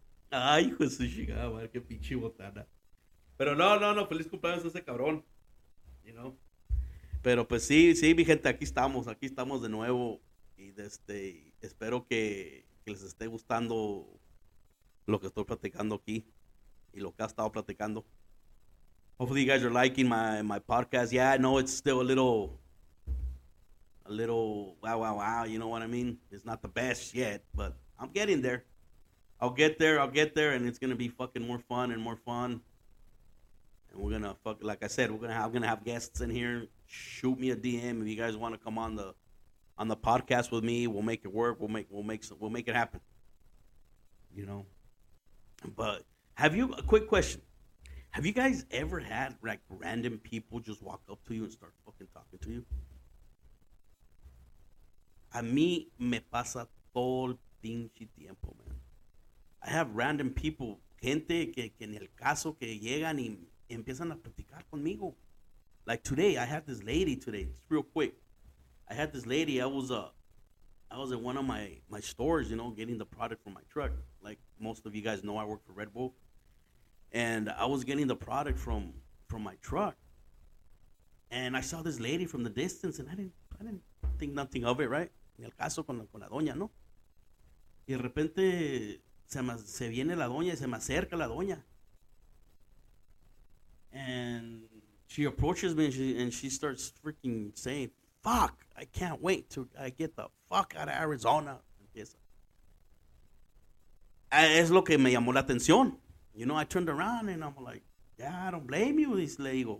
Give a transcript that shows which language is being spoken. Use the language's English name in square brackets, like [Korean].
[Spanish] Ay, hijo de su chingada, madre, qué pinche botana. Pero no, feliz cumpleaños a ese cabrón. [English] You know? [Spanish] Pero pues sí, mi gente, aquí estamos de nuevo. Y espero que les esté gustando lo que estoy platicando aquí y lo que ha estado platicando. [English] Hopefully you guys are liking my podcast. Yeah, I know it's still a little wow, you know what I mean? It's not the best yet, but I'm getting there. I'll get there, and it's gonna be fucking more fun. And we're gonna fuck, like I said, I'm gonna have guests in here. Shoot me a DM if you guys want to come on the podcast with me. We'll make it work. We'll make it happen. You know. But have you, a quick question, have you guys ever had, like, random people just walk up to you and start fucking talking to you? [Spanish] A mí me pasa todo el pinche tiempo, man. [English] I have random people, [Spanish] gente que en el caso que llegan y empiezan a platicar conmigo. [English] Like, today, I had this lady today, just real quick. I had this lady, I was at one of my stores, you know, getting the product for my truck. Like most of you guys know, I work for Red Bull. And I was getting the product from my truck. And I saw this lady from the distance, and I didn't think nothing of it, right? [Spanish] En el caso con la doña, ¿no? Y de repente se viene la doña y se me acerca la doña. [English] And she approaches me, and she starts freaking saying, "Fuck, I can't wait to get the fuck out of Arizona." [Spanish] Es lo que me llamó la atención. [English] You know, I turned around and I'm like, "Yeah, I don't blame you, this lady.